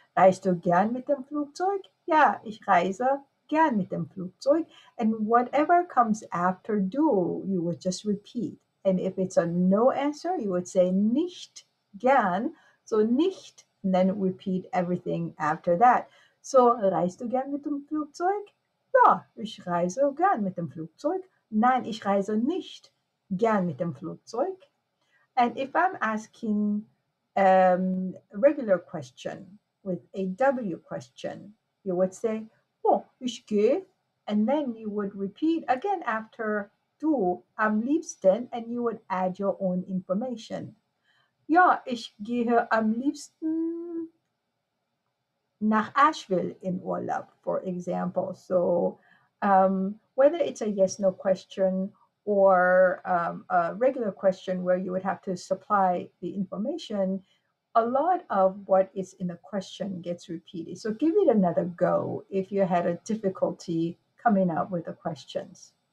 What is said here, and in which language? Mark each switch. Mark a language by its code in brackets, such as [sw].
[de] Reist du gern mit dem Flugzeug? Ja, ich reise gern mit dem Flugzeug, [en] and whatever comes after du, you would just repeat. And if it's a no answer, you would say [de] nicht gern, [en] so nicht, and then repeat everything after that. [de] So, reist du gern mit dem Flugzeug? Ja, ich reise gern mit dem Flugzeug. Nein, ich reise nicht gern mit dem Flugzeug. [en] And if I'm asking a regular question with a W question, you would say, oh, [de] ich gehe. [en] And then you would repeat again after du, [de] am liebsten, [en] and you would add your own information. [de] Ja, ich gehe am liebsten nach Asheville in Urlaub, [en] for example. So whether it's a yes, no question or a regular question where you would have to supply the information, a lot of what is in the question gets repeated. So give it another go if you had a difficulty coming up with the questions.